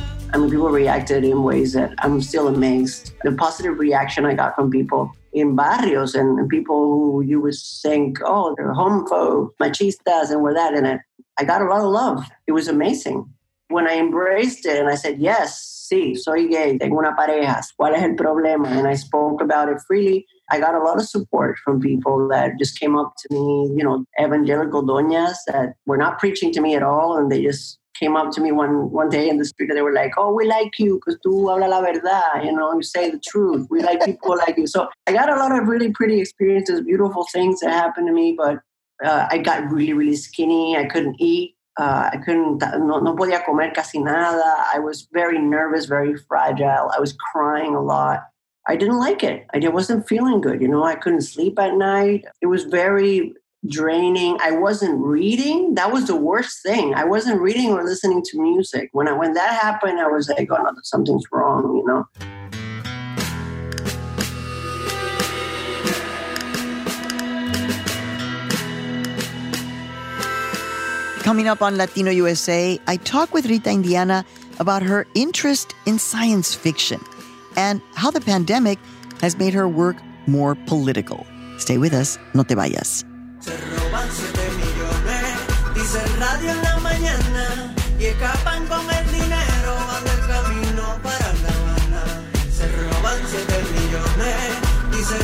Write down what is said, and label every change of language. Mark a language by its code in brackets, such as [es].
[en] I mean, people reacted in ways that I'm still amazed. The positive reaction I got from people in barrios and people who you would think, oh, they're homophobes, machistas, and with that in it. I got a lot of love. It was amazing. When I embraced it and I said, yes, [es] sí, soy gay, tengo una pareja, ¿cuál es el problema? [en] And I spoke about it freely. I got a lot of support from people that just came up to me, you know, evangelical doñas that were not preaching to me at all, and they just came up to me one day in the street, and they were like, oh, we like you because [es] tú hablas la verdad, [en] you know, you say the truth. We like people like you. So I got a lot of really pretty experiences, beautiful things that happened to me, but I got really, really skinny. I couldn't eat. [es] No podía comer casi nada. [en] I was very nervous, very fragile. I was crying a lot. I didn't like it. I wasn't feeling good, you know. I couldn't sleep at night. It was very draining. I wasn't reading. That was the worst thing. I wasn't reading or listening to music. When that happened, I was like, oh, no, something's wrong, you know. Coming up on Latino USA, I talk with Rita Indiana about her interest in science fiction and how the pandemic has made her work more political. Stay with us. [es] No te vayas. Se roban 7 millones, dice el radio en la mañana, y escapan con el dinero, van del camino para La Habana. Se roban 7 millones, dice el radio en la mañana, y escapan con el dinero, van del camino para La Habana.